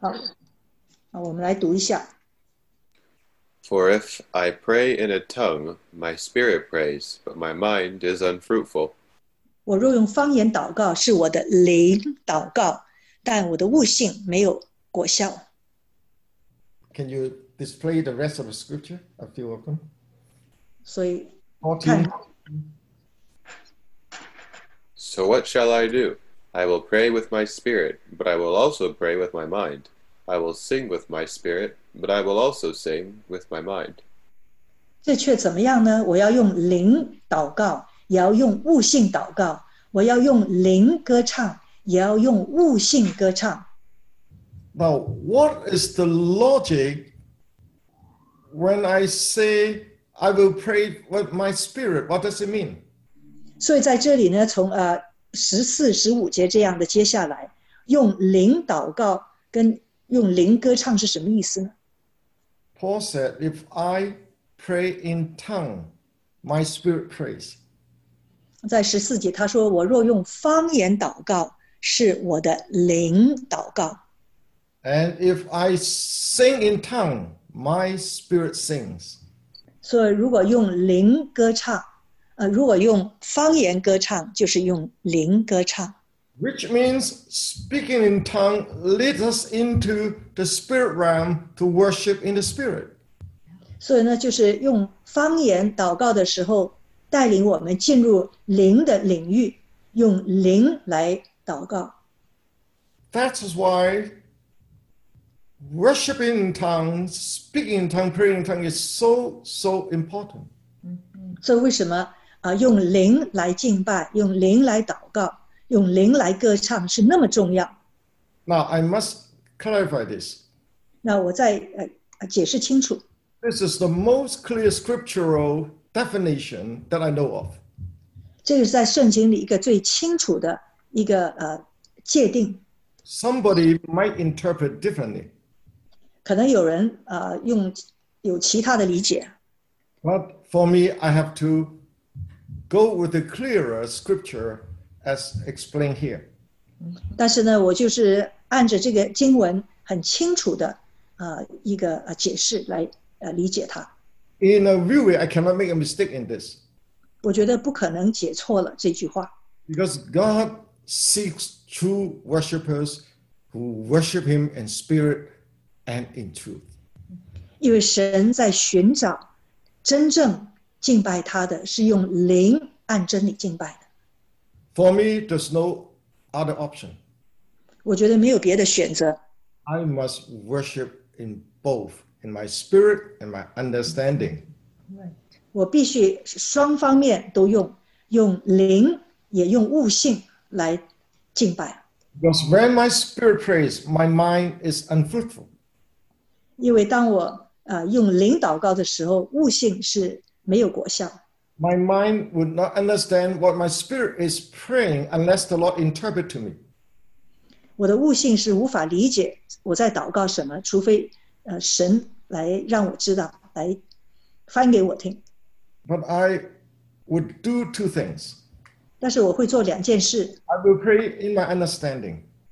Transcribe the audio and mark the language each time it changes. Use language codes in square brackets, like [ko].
[zh] 好。我们来读一下。 [en] For if I pray in a tongue, my spirit prays, but my mind is unfruitful. [zh] 我若用方言祷告，是我的灵祷告，但我的悟性没有果效。 [en] Can you display the rest of the scripture, a few of them? [zh] 所以 14. [en] So what shall I do? I will pray with my spirit, but I will also pray with my mind. I will sing with my spirit, but I will also sing with my mind. [zh] 这却怎么样呢？我要用灵祷告，也要用悟性祷告。我要用灵歌唱，也要用悟性歌唱。 [en] Now, what is the logic when I say I will pray with my spirit? What does it mean? [zh] 所以在这里呢，从14-15节这样的接下来，用灵祷告跟用灵歌唱是什么意思呢? [en] Paul said, if I pray in tongue, my spirit prays. [zh] 在十四节他说我若用方言祷告是我的灵祷告。 [en] And if I sing in tongue, my spirit sings. [zh] 所以如果用灵歌唱如果用方言歌唱就是用灵歌唱。 [en] Which means speaking in tongue leads us into the spirit realm to worship in the spirit. [zh] 所以呢，就是用方言祷告的时候，带领我们进入灵的领域，用灵来祷告。 [en] That is why worshiping in tongues, speaking in tongues, praying in tongues is so, so important. [zh] 所以为什么用灵来敬拜，用灵来祷告。用灵来歌唱是那么重要。 [en] Now I must clarify this. [zh] 那我再解释清楚。 [en] This is the most clear scriptural definition that I know of. [zh] 这个是在圣经里一个最清楚的一个界定。 [en] Somebody might interpret differently. [zh] 可能有人用有其他的理解。 [en] But for me, I have to go with the clearer scripture. As explained here. [zh] 但是呢，我就是按着这个经文很清楚的一个解释来理解它。 [en] In a real way, I cannot make a mistake in this. [zh] 我觉得不可能解错了这句话。 [en] Because God seeks true worshippers who worship Him in spirit and in truth. [zh] 因为神在寻找真正敬拜他的是用灵按真理敬拜的。 [en] For me, there's no other option. [zh] 我觉得没有别的选择。 [en] I must worship in both, in my spirit and my understanding. [zh] 我必须双方面都用，用灵也用悟性来敬拜。 [en] Because when my spirit prays, my mind is unfruitful. [zh] 因为当我用灵祷告的时候，悟性是没有果效。 [en] My mind would not understand what my spirit is praying unless the Lord interpret to me. [zh] 我的悟性是无法理解我在祷告什么，除非神来让我知道，来翻给我听。 [en] But I would do two things. [zh] 但是我会做两件事。 [en] I will pray in my understanding.